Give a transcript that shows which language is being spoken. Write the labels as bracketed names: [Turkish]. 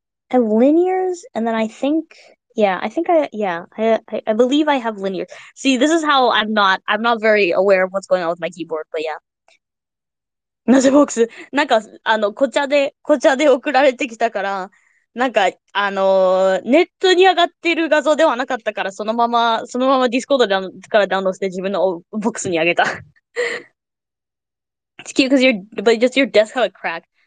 [English] I have linears, and then I think, yeah, I think I, yeah, I believe I have linears. See, this is how I'm not very aware of what's going on with my keyboard, but yeah. [Japanese] なぜボックス、なんか、こちゃで送られてきたから、なんか、ネットに上がってる画像ではなかったから、そのままディスコードからダウンロードして自分のボックスにあげた。 [English] It's cute because but just your desk have a crack.